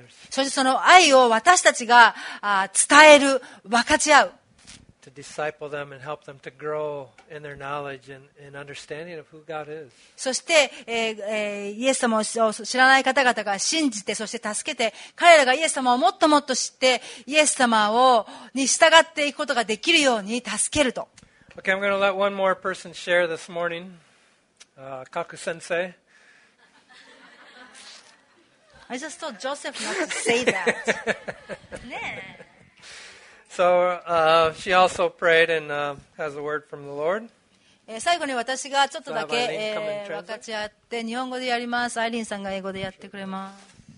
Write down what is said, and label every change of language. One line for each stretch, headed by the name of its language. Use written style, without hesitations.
Japanese: そしてその愛を私たちが伝える、分かち合う、
English: To disciple them and help them to grow in their knowledge and understanding of who God is.
Japanese: そして、イエス様を知らない方々が信じて、そして助けて、彼らがイエス様をもっともっと知って、イエス様をに従っていくことができるように助けると。
English: Okay, I'm going to let one more person share this morning. Kaku sensei. I just told Joseph not to say that.
Japanese: ねえ。
English: So, she also prayed and, has a word from the Lord.
Japanese: 最後に私がちょっとだけ、分かち合って日本語でやります。アイリンさんが英語でやってくれます。